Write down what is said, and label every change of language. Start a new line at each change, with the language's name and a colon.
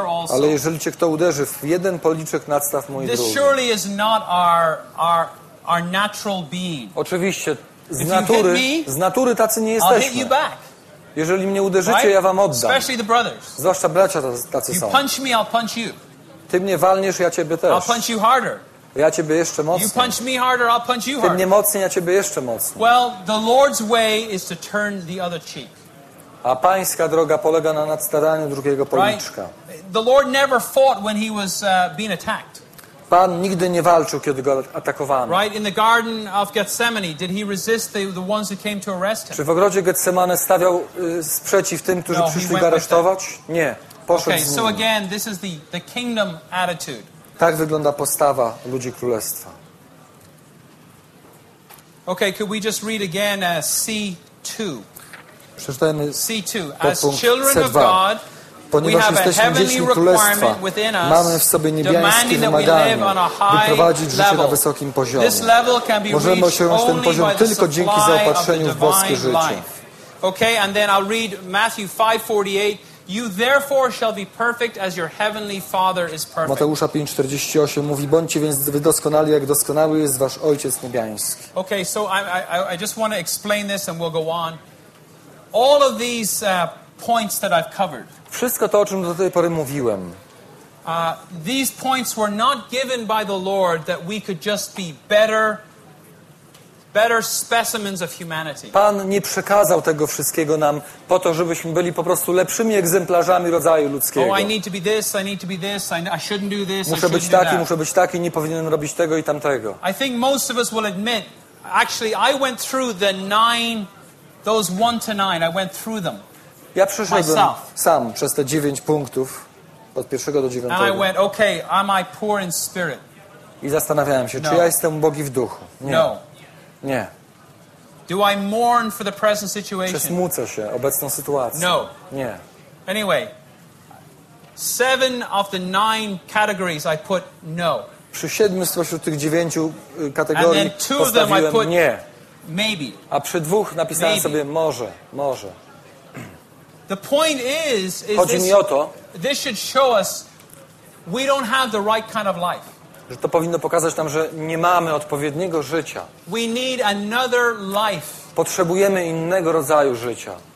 Polish: Ale jeżeli cię kto uderzy w jeden policzek, nadstaw mój
English: this
Polish: drugi.
English: Surely is not our natural being.
Polish: Oczywiście, z natury tacy nie jesteśmy.
English: I'll hit you back.
Polish: Jeżeli mnie uderzycie,
English: right?
Polish: Ja wam oddam.
English: Especially the brothers.
Polish: Zwłaszcza bracia tacy
English: you
Polish: są.
English: Punch me, I'll punch you.
Polish: Ty mnie walniesz, ja ciebie też.
English: I'll punch you harder.
Polish: Ja ciebie jeszcze mocniej.
English: You punch me harder, I'll punch you harder.
Polish: Ty mnie mocniej, ja ciebie jeszcze mocniej.
English: Well, the Lord's way is to turn the other cheek.
Polish: A pańska droga polega na nadstawianiu drugiego policzka.
English: The Lord never fought when he was being attacked.
Polish: Pan nigdy nie walczył, kiedy go atakowano.
English: Right in the Garden of Gethsemane, did he resist the ones who came to arrest him?
Polish: Czy w ogrodzie Getsemane stawiał sprzeciw tym, którzy przyszli go aresztować? Nie, poszedł z nimi.
English: So again, this is the kingdom attitude.
Polish: Tak wygląda postawa ludzi królestwa.
English: Okay, could we just read again C2?
Polish: Przeczytajmy
English: C2. As children of God,
Polish: ponieważ jesteśmy dziećmi królestwa, mamy w sobie niebiańskie wymaganie, by prowadzić życie na wysokim poziomie. Możemy osiągnąć ten poziom tylko dzięki zaopatrzeniu w boskie życie.
English: Okay, and then I'll read Matthew 5:48. You therefore shall be perfect as your heavenly Father is perfect.
Polish: Mateusza 5:48 mówi: bądźcie więc wy doskonali, jak doskonały jest wasz Ojciec niebiański.
English: Okay, so I just want to explain this and we'll go on. All of these points that I've covered.
Polish: Wszystko to, o czym do tej pory mówiłem.
English: These points were not given by the Lord that we could just be better specimens of humanity.
Polish: Pan nie przekazał tego wszystkiego nam po to, żebyśmy byli po prostu lepszymi egzemplarzami rodzaju ludzkiego.
English: Oh, I need to be this, I need to be this, I shouldn't do this.
Polish: Muszę być taki, muszę być taki, nie powinienem robić tego i tamtego.
English: I think most of us will admit, actually I went through the nine, those 1 to 9, I went through them.
Polish: Ja przeszedłem sam przez te 9 punktów od 1 do 9.
English: And I went, okay, am I poor in spirit?
Polish: I zastanawiałem się, czy ja jestem ubogi w duchu? Nie.
English: No.
Polish: Nie.
English: Do I mourn for the present situation?
Polish: Czy smucę się obecną sytuację?
English: No.
Polish: Nie.
English: Anyway, 7 of the 9 categories I put no.
Polish: Przy 7 spośród tych 9 kategorii postawiłem nie.
English: Maybe.
Polish: A przy 2 napisałem sobie może.
English: The point is
Polish: chodzi mi o to,
English: this should show us we don't have the right kind of life.
Polish: Że to powinno pokazać nam, że nie mamy odpowiedniego życia.
English: We need another life.
Polish: Potrzebujemy innego rodzaju życia.